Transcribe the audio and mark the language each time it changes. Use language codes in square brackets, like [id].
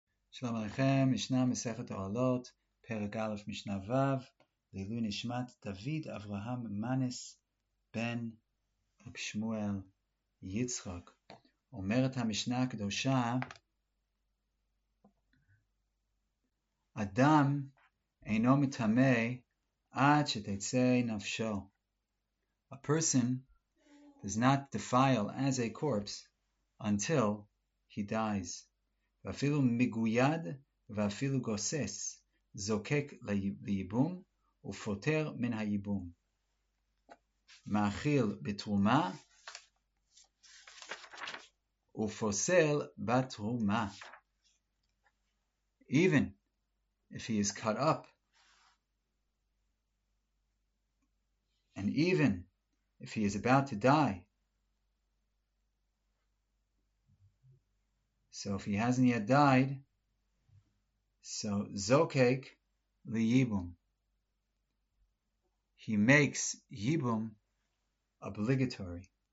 [he] שלום עליכם, ישנה מסכת אוהלות, פרק א' משנה ו', לעילוי נשמת דוד אברהם מנס בן שמואל יצחק. אומרת המשנה הקדושה, אדם אינו מטמא עד שתצא נפשו. [en] A person does not defile as a corpse until he dies. [he] ואפילו מגויד ואפילו גוסס, זוקק ליבום ופותר מן היבום. מאכיל בתרומה ופוסל בתרומה. [en] Even if he is cut up, and even if he is about to die, so if he hasn't yet died, so zokek liyibum, he makes yibum obligatory.